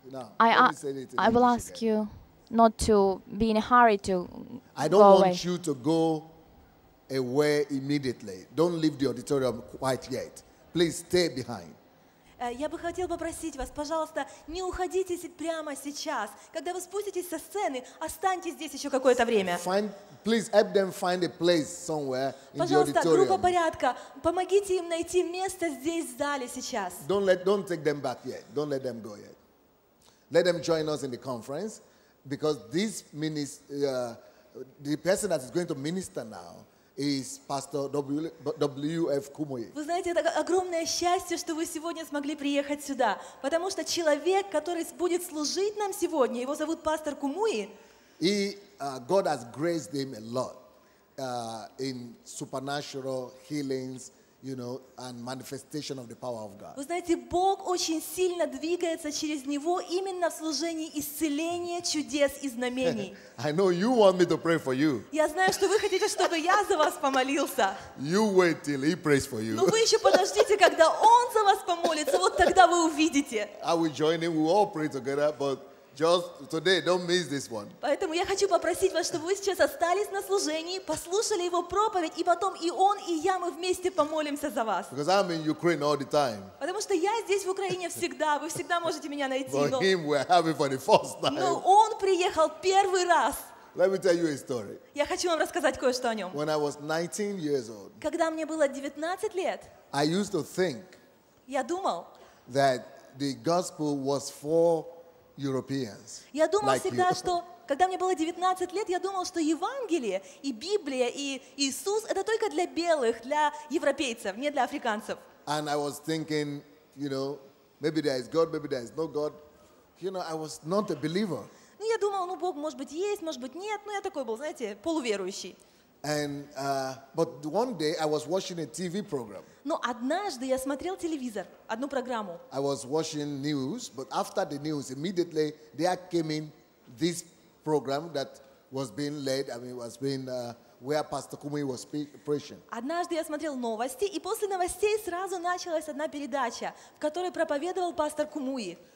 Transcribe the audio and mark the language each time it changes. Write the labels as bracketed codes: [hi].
[en] I will ask you not to be in a hurry to go away. I don't want you to go away immediately. Don't leave the auditorium quite yet. Please stay behind. [ru] Я бы хотел попросить вас, пожалуйста, не уходите прямо сейчас. Когда вы спуститесь со сцены, останьтесь здесь еще какое-то время. [en] Please help them find a place somewhere in the auditorium. [ru] Пожалуйста, группа порядка, помогите им найти место здесь в зале сейчас. [en] Don't take them back yet. Don't let them go yet. Let them join us in the conference, because this the person that is going to minister now is Pastor W.F. Kumoye. [ru] Вы знаете, это огромное счастье, что вы сегодня смогли приехать сюда, потому что человек, который будет служить нам сегодня, его зовут пастор Кумуи. [en] He God has graced him a lot in supernatural healings, you know, and manifestation of the power of God. [ru] Вы знаете, Бог очень сильно двигается через него именно в служении исцеления, чудес и знамений. [en] I know you want me to pray for you. [ru] Я знаю, что вы хотите, чтобы я за вас помолился. [en] You wait till he prays for you. [ru] Но вы еще подождите, когда он за вас помолится, вот тогда вы увидите. [en] I will join him. We all pray together, but just today, don't miss this one. [ru] Поэтому я хочу попросить вас, чтобы вы сейчас остались на служении, послушали его проповедь, и потом и он, и я, мы вместе помолимся за вас. [en] Because I'm in Ukraine all the time. [ru] Потому что я здесь в Украине всегда, вы всегда можете меня найти. [en] For him, we're happy for the first time. [ru] Но он приехал первый раз. [en] Let me tell you a story. [ru] Я хочу вам рассказать кое-что о нем. [en] When I was 19 years old. [ru] Когда мне было 19 лет. [en] I used to think. [ru] Я думал. [en] That the gospel was for Europeans. [ru] Я думал всегда, что когда мне было 19 лет, я думал, что Евангелие и Библия и Иисус это только для белых, для европейцев, не для африканцев. [en] And I was thinking, you know, maybe there is God, maybe there is no God. You know, I was not a believer. [ru] Ну я думал, ну Бог, может быть, есть, может быть, нет. Ну я такой был, знаете, полуверующий. [en] And but one day I was watching a TV program. [ru] Но однажды я смотрел телевизор, одну программу. [en] I was watching news, but after the news, immediately there came in this program that was being led. I mean, was being where Pastor Kumi was preaching. [ru] Однажды я смотрел новости, и после новостей сразу началась одна передача, в которой проповедовал пастор Кумуи.